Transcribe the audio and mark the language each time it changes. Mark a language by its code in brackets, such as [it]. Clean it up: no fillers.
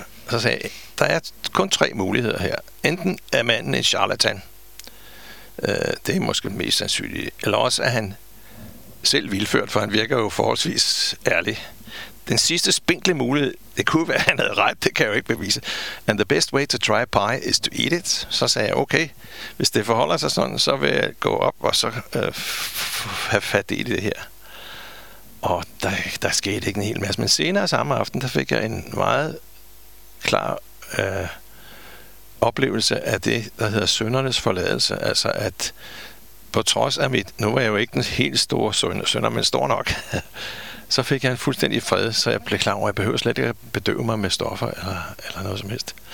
[da] Så sagde jeg, der er kun tre muligheder her. Enten er manden en charlatan. Det er måske mest sandsynligt. Eller også er han selv vildført, for han virker jo forholdsvis ærlig. Den sidste spinkle mulighed, det kunne være, at han havde ret, det kan jeg jo ikke bevise. [en] And the best way to try pie is to eat it. [da] Så sagde jeg, okay, hvis det forholder sig sådan, så vil jeg gå op og så have fat i det her. Og der skete ikke en hel masse. Men senere samme aften, der fik jeg en meget klar oplevelse af det, der hedder syndernes forladelse, altså at på trods af mit, nu var jeg jo ikke den helt store synder, men stor nok, så fik jeg en fuldstændig fred, så jeg blev klar over, at jeg behøver slet ikke at bedøve mig med stoffer eller noget som helst.